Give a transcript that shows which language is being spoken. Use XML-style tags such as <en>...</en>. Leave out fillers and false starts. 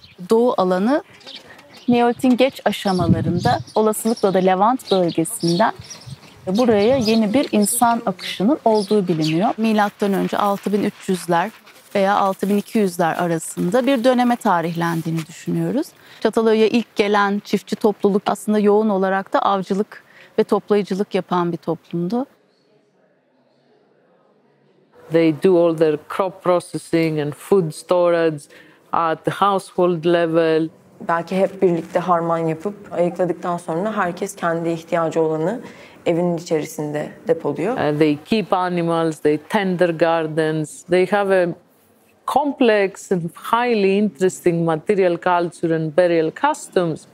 <tr>doğu alanı Neolitin geç aşamalarında olasılıkla da Levant bölgesinden buraya yeni bir insan akışının olduğu biliniyor. Milattan önce 6300'ler veya 6200'ler arasında bir döneme tarihlendiğini düşünüyoruz. Çatalhöyük'e ilk gelen çiftçi topluluk aslında yoğun olarak da avcılık ve toplayıcılık yapan bir toplumdu.</tr> <en>They do all their crop processing and food storage at the household level.</en> <tr>Belki hep birlikte harman yapıp ayıkladıktan sonra herkes kendi ihtiyacı olanı evin içerisinde depoluyor.</tr> <en>They keep animals, they tend their gardens. They have a complex and highly interesting material culture and burial customs.</en>